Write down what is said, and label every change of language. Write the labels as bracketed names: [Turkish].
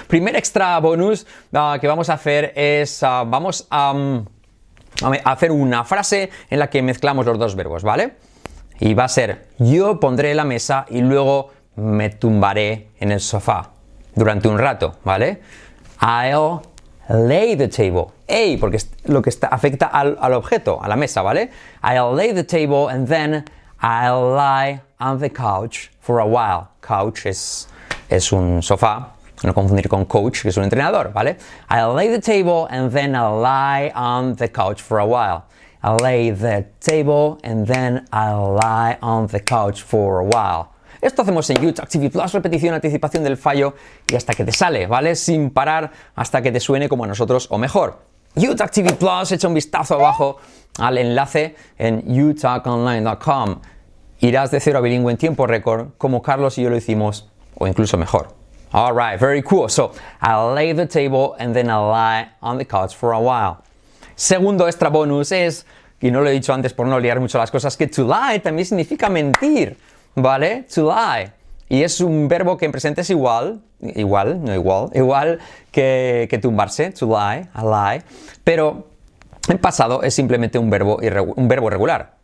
[Spanish] Primer extra bonus que vamos a hacer es, vamos a hacer una frase en la que mezclamos los dos verbos, ¿vale? Y va a ser, yo pondré la mesa y luego me tumbaré en el sofá durante un rato, ¿vale? [English] I'll lay the table. [Spanish] Ey, porque es lo que está, afecta al objeto, a la mesa, ¿vale? [English] I'll lay the table and then I'll lie on the couch for a while. [Spanish] Couch es un sofá. No confundir con coach, que es un entrenador, ¿vale? [English] I'll lay the table and then I'll lie on the couch for a while. I'll lay the table and then I'll lie on the couch for a while. [Spanish] Esto hacemos en YouTube, TV Plus, repetición, anticipación del fallo y hasta que te sale, ¿vale? Sin parar hasta que te suene como a nosotros o mejor. YouTube TV Plus, echa un vistazo abajo al enlace en utalkonline.com. Irás de cero a bilingüe en tiempo récord, como Carlos y yo lo hicimos, o incluso mejor. [English] All right, very cool. So, I'll lay the table and then I'll lie on the couch for a while. [Spanish] Segundo extra bonus es, y no lo he dicho antes por no liar mucho las cosas, que to lie también significa mentir, ¿vale? To lie. Y es un verbo que en presente es igual que tumbarse, to lie, a lie. Pero en pasado es simplemente un verbo regular.